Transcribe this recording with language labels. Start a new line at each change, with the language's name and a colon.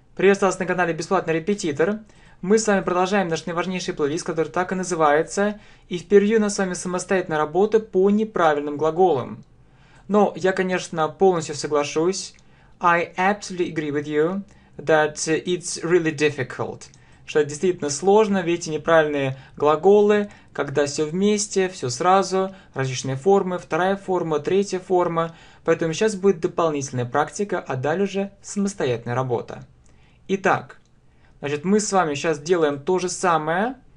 Russian: Приветствую вас на канале «Бесплатный репетитор». Мы с вами продолжаем наш наиважнейший плейлист, который так и называется. И впервые у нас с вами самостоятельная работа по неправильным глаголам. Но я, конечно, полностью соглашусь.
English: I absolutely agree with you that it's really difficult.
Russian: Что это действительно сложно, ведь эти неправильные глаголы, когда все вместе, все сразу, различные формы, вторая форма, третья форма. Поэтому сейчас будет дополнительная практика, а далее уже самостоятельная работа. Итак, значит, мы с вами сейчас делаем то же самое.